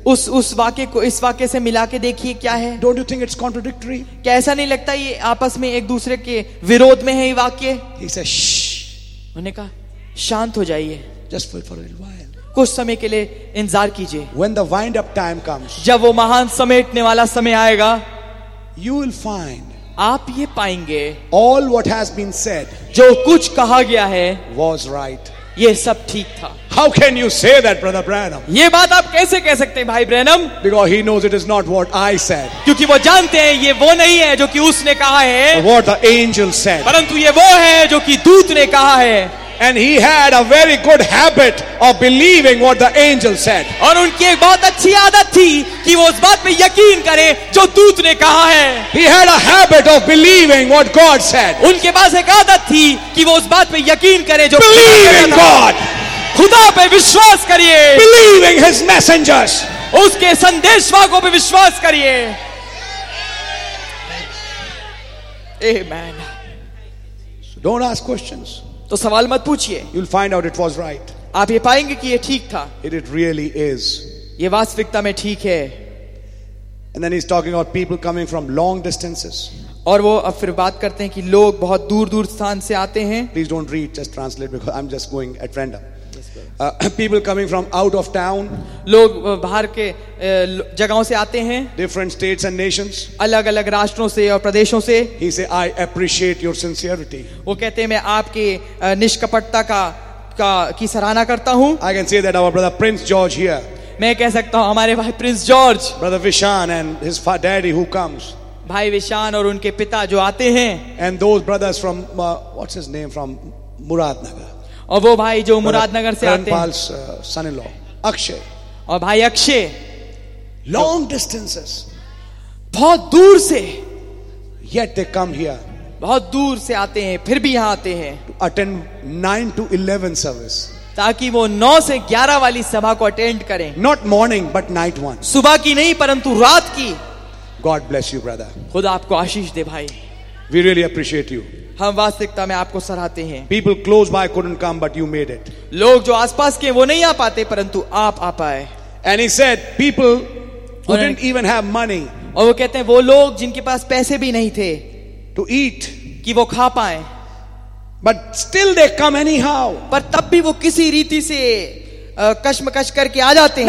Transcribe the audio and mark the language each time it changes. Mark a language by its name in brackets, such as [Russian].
[Hindi] उस वाक्य को इस वाक्य से मिला के देखिए क्या है. [English] Don't you think it's contradictory? [Hindi] क्या ऐसा नहीं लगता ये आपस में एक दूसरे के विरोध में है ये वाक्य? [English] He said, "Shh." [Hindi] उन्हें कहा, शांत हो जाइए. [English] Just wait for a little while. [Hindi] कुछ समय के लिए इंतजार कीजिए. [English] When the wind up time comes, [Hindi] जब वो महान समेटने वाला समय आएगा, [English] you will find, [Hindi] आप ये पाएंगे, [English] all what has been said, [Hindi] जो कुछ कहा गया है, [English] was right, [Hindi] ये सब ठीक था. [English] How can you say that, brother Branham? [Hindi] ये बात आप कैसे कह सकते हैं भाई Branham? [English] Because he knows it is not what I said. [Hindi] क्योंकि वो जानते हैं ये वो नहीं है जो कि उसने कहा है. [English] What the angel said. [Hindi] परंतु ये वो है जो कि दूत ने कहा है. [English] And he had a very good habit of believing what the angel said. [Hindi] और उनकी एक बहुत अच्छी आदत थी कि वो उस बात पे यकीन करें जो दूत ने कहा है. [English] He had a habit of believing what God said. [Hindi] उनके पास एक आदत थी कि वो उस बात पे यकीन करें जो [English] believing God. [Hindi] खुदा पे विश्वास करिए. [English] Believing his messengers. [Hindi] उसके संदेशवाहकों पे विश्वास करिए. [English] Amen. So don't ask questions. [Hindi] तो सवाल मत पूछिए. [English] You'll find out it was right. [Hindi] आप ये पाएंगे कि ये ठीक था. [English] It really is. [Hindi] ये वास्तविकता में ठीक है. [English] And then he's talking about people coming from long distances. [Hindi] और वो अब फिर बात करते हैं कि लोग बहुत दूर दूर स्थान से आते हैं. [English] Please don't read, just translate because I'm just going at random. People coming from out of town. [Hindi] लोग बाहर के जगहों से आते हैं. [English] Different states and nations. [Hindi] अलग अलग राष्ट्रों से और प्रदेशों से. [English] He say, I appreciate your sincerity. [Hindi] वो कहते हैं मैं आपके निष्कपटता का की सराहना करता हूँ. [English] I can say that our brother Prince George here. [Hindi] मैं कह सकता हूँ हमारे भाई Prince George. [English] Brother Vishan and his daddy who comes. [Hindi] भाई विशान और उनके पिता जो आते हैं. [English] And those brothers from what's his name from Muradnagar. [Hindi] और वो भाई जो मुरादनगर से आते [English] हैं, son in law Akshay [Hindi] और भाई अक्षय, [English] long distances, [Hindi] बहुत दूर से, [English] yet they come here, [Hindi] बहुत दूर से आते हैं फिर भी यहां आते हैं, [English] attend 9 to 11 service, [Hindi] ताकि वो 9 to 11 वाली सभा को अटेंड करें. [English] not morning but night one, [Hindi] सुबह की नहीं परंतु रात की. [English] God bless you brother. [Hindi] खुदा आपको आशीष दे भाई. [English] We really appreciate you. [Hindi] हम वास्तविकता में आपको सराहते हैं. [English] People close by couldn't come, but you made it. [Hindi] लोग जो आसपास के वो नहीं आ पाते परंतु आप आ पाए. [English] And he said, people who didn't even have money. [Hindi] और वो कहते हैं वो लोग जिनके पास पैसे भी नहीं थे [English] to eat, [Hindi] कि वो खा पाए. [English] But still they come anyhow. [Hindi] पर तब भी वो किसी रीति से कश्मकश करके आ जाते हैं.